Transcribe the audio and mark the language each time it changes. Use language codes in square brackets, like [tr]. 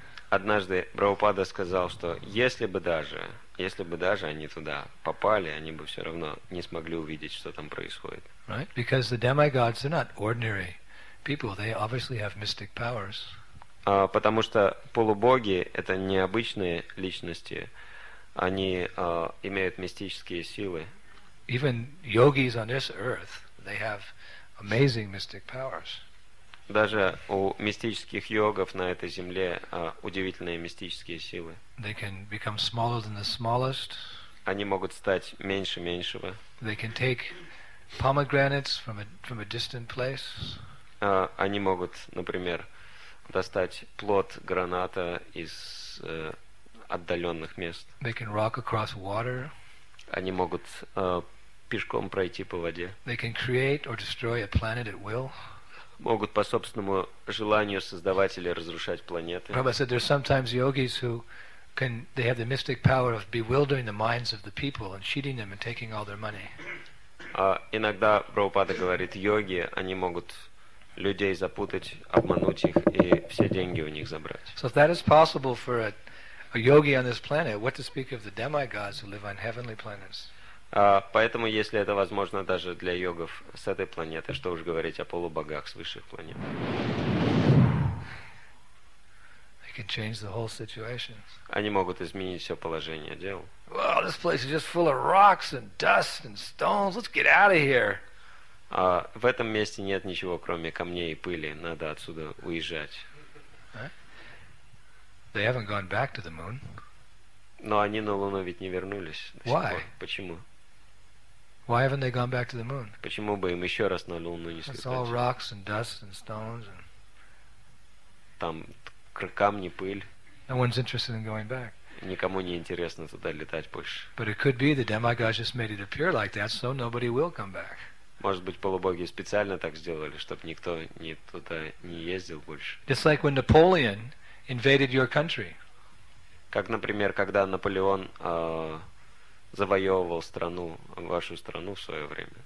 [ru] Однажды Прабхупада сказал, что если бы даже они туда попали, они бы все равно не смогли увидеть, что там происходит. [en] Right? Because the demigods are not ordinary people. They obviously have mystic powers. [ru] Потому что полубоги — это необычные личности. Они имеют мистические силы. [en] Even yogis on this earth, they have amazing mystic powers. [ru] Даже у мистических йогов на этой земле удивительные мистические силы. [en] They can become smaller than the smallest. [ru] Они могут стать меньше меньшего. [en] They can take pomegranates from a distant place. [ru] Они могут, например, достать плод граната из отдаленных мест. [en] They can rock across water. [ru] Они могут пешком пройти по воде. [en] They can create or destroy a planet at will. [ru] Могут по собственному желанию создавать или разрушать планеты. [en] Prabhupada said there are sometimes yogis who can they have the mystic power of bewildering the minds of the people and cheating them and taking all their money. [ru] Иногда Прабхупада говорит, йоги, они могут людей запутать, обмануть их и все деньги у них забрать. [en] So if that is possible for a yogi on this planet, what to speak of the demigods who live on heavenly planets? [ru] Поэтому, если это возможно даже для йогов с этой планеты, что уж говорить о полубогах с высших планет. [en] They can change the whole situation. [ru] Они могут изменить все положение дел. [en] Well, this place is just full of rocks and dust and stones. Let's get out of here. [ru] В этом месте нет ничего, кроме камней и пыли. Надо отсюда уезжать. [en] They haven't gone back to the moon. [ru] Но они на Луну ведь не вернулись. [en] Why? [ru] Почему? [en] Why haven't they gone back to the moon? [ru] Почему бы им еще раз на Луну не слетать? [en] It's all rocks and dust and stones. [ru] Там камни, пыль. [en] No one's interested in going back. [ru] Никому не интересно туда летать больше. [en] But it could be the demigods just made it appear like that, so nobody will come back. [ru] Может быть, полубоги специально так сделали, чтобы никто не туда не ездил больше. [en] It's like when Napoleon invaded your country. [ru] Как, например, когда Наполеон завоевывал страну, вашу страну в свое время.